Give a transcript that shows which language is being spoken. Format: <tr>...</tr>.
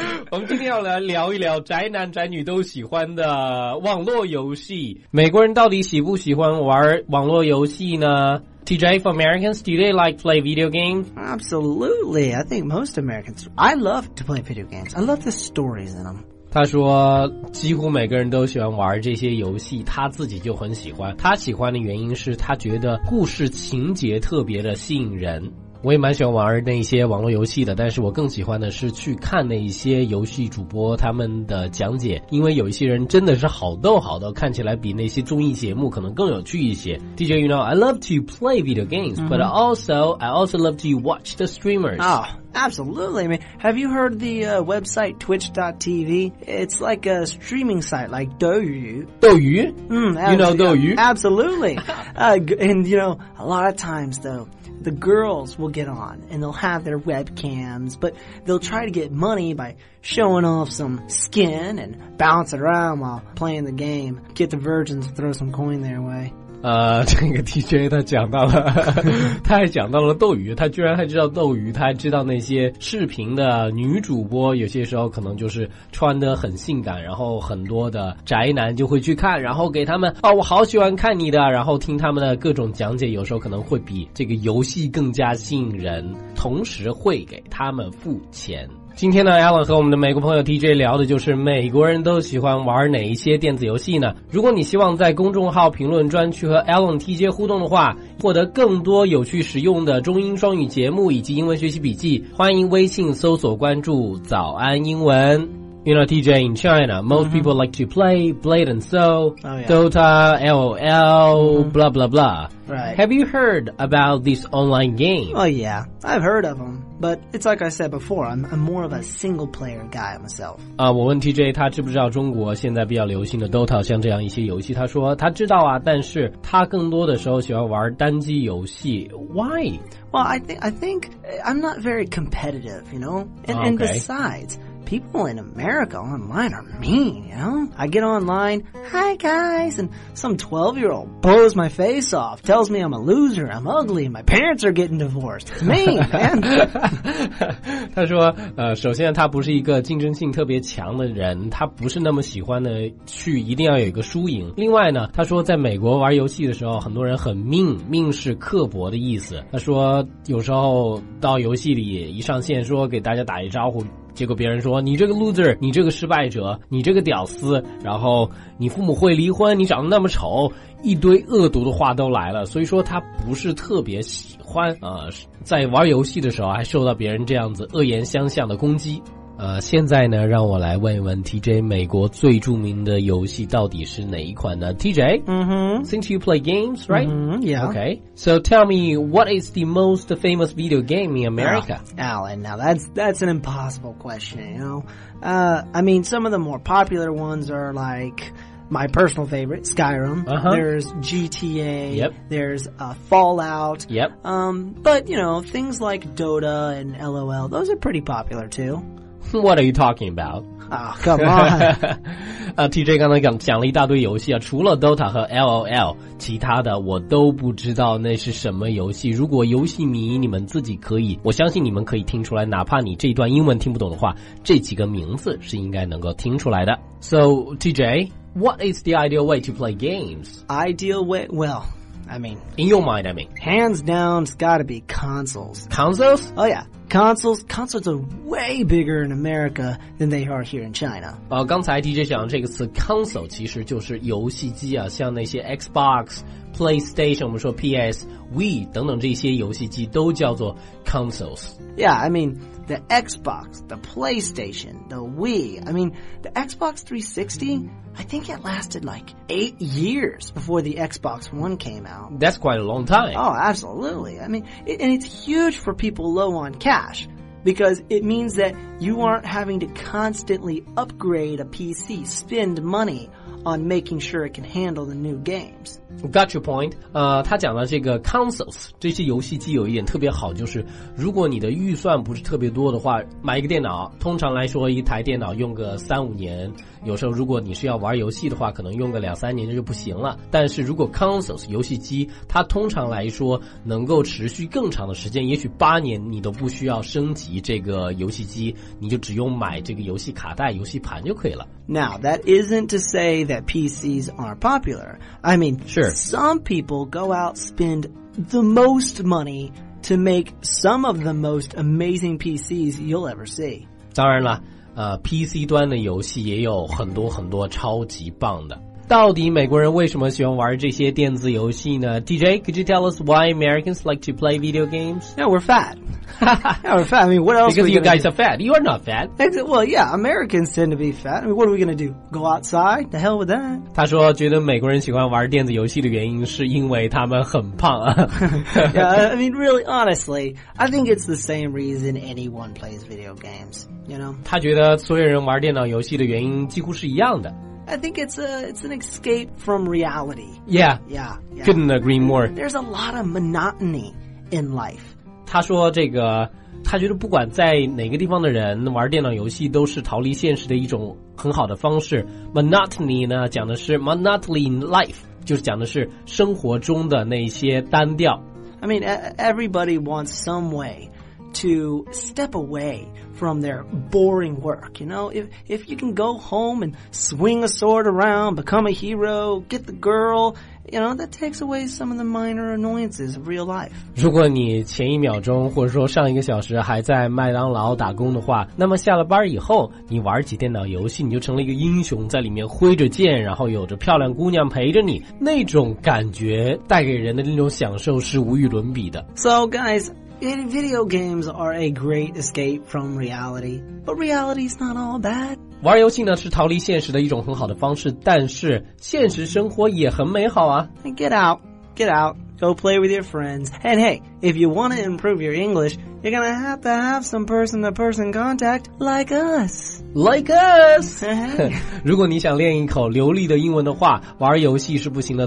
<zh>我们今天要来聊一聊宅男宅女都喜欢的网络游戏。美国人到底喜不喜欢玩网络游戏呢？</zh> <en>TJ, for Americans, do they like play video games? Absolutely. I think most Americans, I love to play video games. I love the stories in them.</en> <zh>他说几乎每个人都喜欢玩这些游戏，他自己就很喜欢。他喜欢的原因是他觉得故事情节特别的吸引人。我也蛮喜欢玩那些网络游戏的，但是我更喜欢的是去看那些游戏主播他们的讲解，因为有一些人真的是好逗好逗，看起来比那些综艺节目可能更有趣一些。</zh> <en>DJ, you know, I love to play video games, but also, I also love to watch the streamers. Oh, absolutely. I mean, have you heard the website twitch.tv? It's like a streaming site like Douyu. Douyu? You know Douyu? Absolutely. And, you know, a lot of times, though,the girls will get on and they'll have their webcams, but they'll try to get money by showing off some skin and bounce around while playing the game, get the virgins to throw some coin their way.</en> <zh>这个 DJ 他讲到了他还讲到了斗鱼，他居然还知道斗鱼，他还知道那些视频的女主播有些时候可能就是穿得很性感，然后很多的宅男就会去看，然后给他们我好喜欢看你的，然后听他们的各种讲解，有时候可能会比这个游戏更加吸引人，同时会给他们付钱。今天呢 Alan 和我们的美国朋友 TJ 聊的就是美国人都喜欢玩哪一些电子游戏呢？如果你希望在公众号评论专区和 Alan TJ 互动的话，获得更多有趣实用的中英双语节目以及英文学习笔记，欢迎微信搜索关注早安英文。</zh> <en>You know, TJ, in China, most people like to play Blade and Soul, Dota, LOL, blah, blah, blah. Right. Have you heard about this online game? Oh, yeah. I've heard of them. But it's like I said before, I'm more of a single player guy myself.</en> <zh>我问 TJ, 他知不知道中国现在比较流行的 Dota, 像这样一些游戏。他说他知道啊，但是他更多的时候喜欢玩单机游戏。</zh> <en>Why? Well, I think I'm not very competitive, you know? And besides... People in America online are mean, you know? I get online, hi guys, and some 12-year-old blows my face off, tells me I'm a loser, I'm ugly, my parents are getting divorced. It's mean, man.</en> <zh>他说首先他不是一个竞争性特别强的人，他不是那么喜欢的去一定要有一个输赢。另外呢，他说在美国玩游戏的时候很多人很mean，mean是刻薄的意思。他说有时候到游戏里一上线说给大家打一招呼，结果别人说你这个 loser， 你这个失败者，你这个屌丝，然后你父母会离婚，你长得那么丑，一堆恶毒的话都来了。所以说他不是特别喜欢在玩游戏的时候还受到别人这样子恶言相向的攻击。现在呢让我来问一问 TJ， 美国最著名的游戏到底是哪一款呢？</zh> <en>TJ， since you play games, right? Yeah. Okay. So tell me, what is the most famous video game in America? Alan, now that's an impossible question, you know? I mean, some of the more popular ones are like... My personal favorite, Skyrim. There's GTA. Yep. There's Fallout. Yep. But, you know, things like Dota and LOL, those are pretty popular too. What are you talking about? Oh, come on.</en> <zh>TJ 刚才讲了一大堆游戏啊，除了 Dota 和 LOL， 其他的我都不知道那是什么游戏。如果游戏迷你们自己可以，我相信你们可以听出来，哪怕你这一段英文听不懂的话，这几个名字是应该能够听出来的。</zh> <en>So, TJ... What is the ideal way to play games? Ideal way? Well, I mean... In your mind, I mean. Hands down, it's gotta be consoles. Consoles? Oh, yeah. Consoles. Consoles are way bigger in America than they are here in China.</en> <zh>刚才 DJ 讲的这个词 console 其实就是游戏机啊，像那些 Xbox, PlayStation, 我们说 PS, Wii 等等这些游戏机都叫做 consoles.</zh> <en>Yeah, I mean... The Xbox, the PlayStation, the Wii. I mean, the Xbox 360, I think it lasted like 8 years before the Xbox One came out. That's quite a long time. Oh, absolutely. I mean, and it's huge for people low on cash because it means that you aren't having to constantly upgrade a PC, spend money on making sure it can handle the new games. Got your point.</en> <zh>他讲到这个 consoles, 这些游戏机有一点特别好，就是如果你的预算不是特别多的话，买一个电脑，通常来说一台电脑用个三五年，有时候如果你是要玩游戏的话，可能用个两三年就不行了。但是如果 consoles, 游戏机，它通常来说能够持续更长的时间，也许八年你都不需要升级这个游戏机，你就只用买这个游戏卡带、游戏盘就可以了。</zh> <en>Now, that isn't to say that PCs aren't popular. I mean, sure. Some people go out, spend the most money to make some of the most amazing PCs you'll ever see.</en> <zh>当然了，PC 端的游戏也有很多很多超级棒的。到底美国人为什么喜欢玩这些电子游戏呢</zh> <en>？DJ, could you tell us why Americans like to play video games? Yeah, we're fat. Yeah, we're fat. I mean, what else? Because are you guys do? Are fat. You are not fat. Well, yeah, Americans tend to be fat. I mean, what are we going to do? Go outside? The hell with that.</en> <zh>他说，觉得美国人喜欢玩电子游戏的原因是因为他们很胖。</zh> <en>Yeah, I mean, really, honestly, I think it's the same reason anyone plays video games. You know.</en> <zh>他觉得所有人玩电脑游戏的原因几乎是一样的。</zh> <en>I think it's an escape from reality. Yeah. Yeah. Yeah. Couldn't agree more. There's a lot of monotony in life.</en> <zh>他说这个，他觉得不管在哪个地方的人玩电脑游戏都是逃离现实的一种很好的方式。 Monotony 呢，讲的是</zh> <en>monotony in life，</en> <zh>就是讲的是生活中的那些单调。</zh> <en>I mean, everybody wants some way to step away from their boring work. You know, if you can go home and swing a sword around, become a hero, get the girl, you know, that takes away some of the minor annoyances of real life.</en> <zh>如果你前一秒钟或者说上一个小时还在麦当劳打工的话，那么下了班以后你玩几电脑游戏，你就成了一个英雄，在里面挥着剑，然后有着漂亮姑娘陪着你，那种感觉带给人的那种享受是无与伦比的。</zh> <en>So guys,Video games are a great escape from reality, but reality is not all bad.</en> <zh>玩游戏呢是逃离现实的一种很好的方式，但是现实生活也很美好啊。</zh> <en>Get out, go play with your friends. And hey, if you want to improve your English, you're gonna have to have some person-to-person contact like us. Like us.</en> <zh>如果你想练一口流利的英文的话，玩游戏是不行的。</zh>